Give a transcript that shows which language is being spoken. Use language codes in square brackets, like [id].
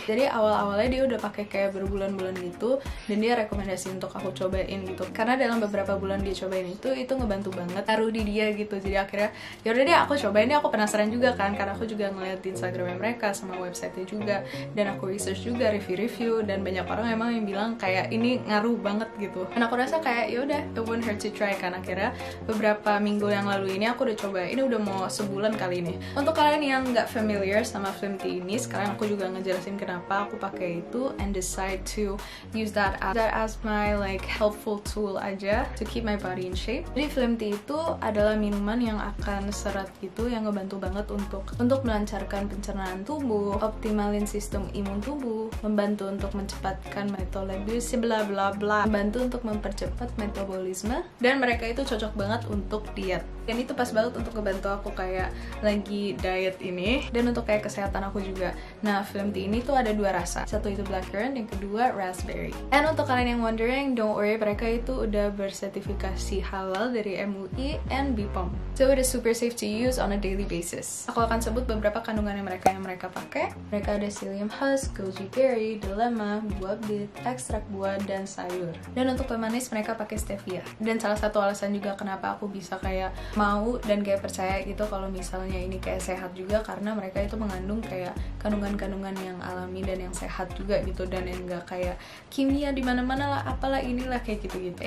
[id] Jadi awal-awalnya dia udah pakai kayak berbulan-bulan gitu, dan dia rekomendasi untuk aku cobain gitu. Karena dalam beberapa bulan dia cobain itu ngebantu banget taruh di dia gitu. Jadi akhirnya yaudah deh aku cobain deh, aku penasaran juga kan, karena aku juga ngeliat Instagramnya mereka sama website-nya juga, dan aku research juga review-review, dan banyak orang emang yang bilang kayak ini ngaruh banget gitu. Dan aku rasa kayak yaudah, [en] it won't hurt to try [id] kan. Akhirnya beberapa minggu yang lalu ini aku udah coba, ini udah mau sebulan kali ini. Untuk kalian yang gak familiar sama Flim Tea ini, sekarang aku juga ngejelasin kenapa aku pakai itu [en] and decide to use that as my like helpful tool aja to keep my body in shape. [id] Jadi Flim Tea itu adalah minuman yang akan serat gitu, yang ngebantu banget untuk melancarkan pencernaan tubuh, optimalin sistem imun tubuh, membantu untuk mencepatkan metabolisme, bla bla bla, membantu untuk mempercepat metabolisme. Dan mereka itu cocok banget untuk diet, dan itu pas banget untuk ngebantu aku kayak lagi diet ini, dan untuk kayak kesehatan aku juga. Nah, Flim Tea ini tuh ada dua rasa. Satu itu blackcurrant, yang kedua raspberry. And untuk kalian yang wondering, [en] don't worry, [id] mereka itu udah bersertifikasi halal dari MUI and BPOM. [en] So it is super safe to use on a daily basis. [id] Aku akan sebut beberapa kandungan yang mereka pakai. Mereka ada psyllium husk, goji berry, delima, buah bit, ekstrak buah dan sayur. Dan untuk pemanis mereka pakai stevia. Dan salah satu alasan juga kenapa aku bisa kayak mau dan kayak percaya gitu kalau misalnya ini kayak sehat juga, karena mereka itu mengandung kayak kandungan-kandungan yang alami dan yang sehat juga gitu, dan yang enggak kayak kimia di mana-mana lah, apalah inilah kayak gitu-gitu.